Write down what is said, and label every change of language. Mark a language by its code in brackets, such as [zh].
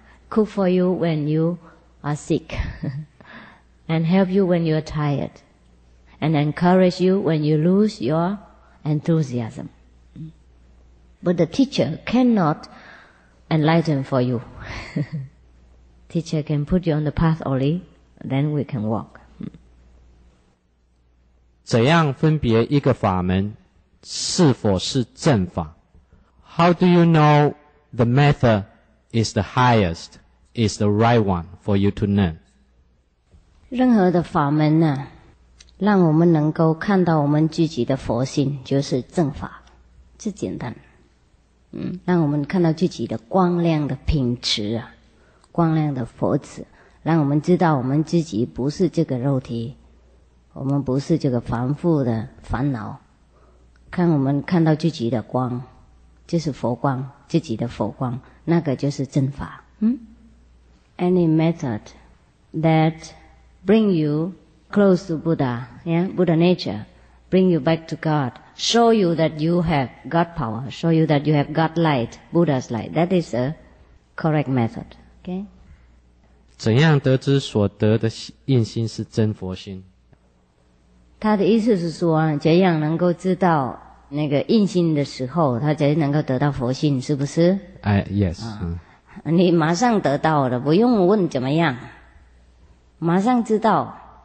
[en] Cook for you when you are sick, and help you when you are tired, and encourage you when you lose your enthusiasm. But the teacher cannot enlighten for you. Teacher can put you on the path only, then we can walk. [zh] 怎样分别一个法门是否是正法? [en] How do you know the method is the highest, is the right one for you to learn? [zh] 任何的法门呢，让我们能够看到我们自己的佛性，就是正法，最简单。让我们看到自己的光亮的品质啊，光亮的佛子，让我们知道我们自己不是这个肉体，我们不是这个繁复的烦恼，看我们看到自己的光，就是佛光，自己的佛光，那个就是正法。 [en] Any method that bring you close to Buddha, yeah, Buddha nature, bring you back to God,Show you that you have God power, show you that you have God light, Buddha's light. That is a correct method. Okay? [zh] 怎样得知所得的印心是真佛心？他的意思是说，怎样能够知道那个印心的时候，他才能够得到佛性，是不是？ [en] Yes. [zh] 你马上得到了，不用问怎么样，马上知道。